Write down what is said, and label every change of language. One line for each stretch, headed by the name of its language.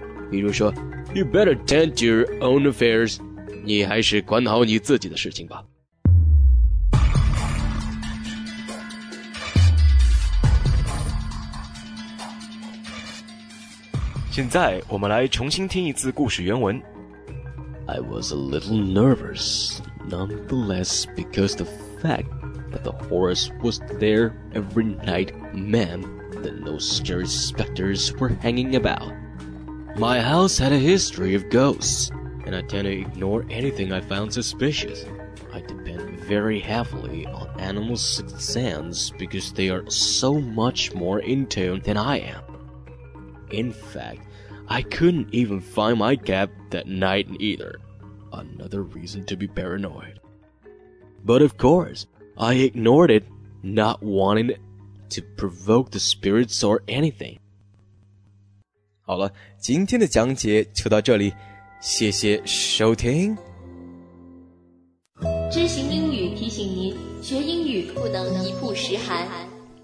Chinese: 比如说
English: ，You better tend to your own affairs.
Chinese: 你还是管好你自己的事情吧。现在我们来重新听一次故事原文。
English: I was a little nervous, nonetheless, because the fact that the horse was there every night meant that no scary specters were hanging about. My house had a history of ghosts, and I tend to ignore anything I found suspicious. I depend very heavily on animals' sixth sense because they are so much more in tune than I am. In fact, I couldn't even find my cat that night either. Another reason to be paranoid. But of course, I ignored it, not wanting to provoke the spirits or anything.
Chinese: 好了，今天的讲解就到这里，谢谢收听。知行英语提醒您，学英语不能一曝十寒。